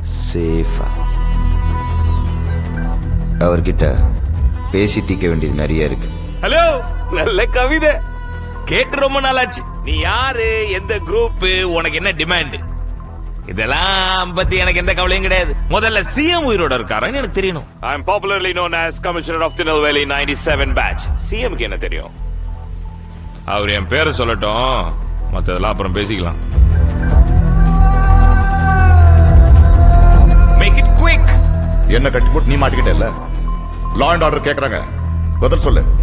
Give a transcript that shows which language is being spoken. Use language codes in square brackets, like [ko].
[ta] சேஃபா அவர்கிட்ட பேசி தீக்க வேண்டியது நிறைய இருக்கு. ஹலோ, நல்ல கவிதை கேட்டு ரொம்ப நாளாச்சு. நீ யாரு, எந்த குரூப், உனக்கு என்ன டிமாண்ட், இதெல்லாம் பத்தி எனக்கு எந்த கவலையும் கிடையாது. முதல்ல சிஎம் உயிரோட இருக்காரன்னு எனக்கு தெரியணும். [en] I am popularly known as Commissioner of Tinalveli 97 batch. [ta] CM க்கு என்ன தெரியும்? அவர் என் பேர் சொல்லட்டும், மத்ததெல்லாம் அப்புறம் பேசிக்கலாம். [en] Make it quick. [ta] என்ன கட்டி போட்டு நீ மாட்டிக்கிட்ட? லா அண்ட் ஆர்டர் கேக்குறாங்க, பதில் சொல்லு.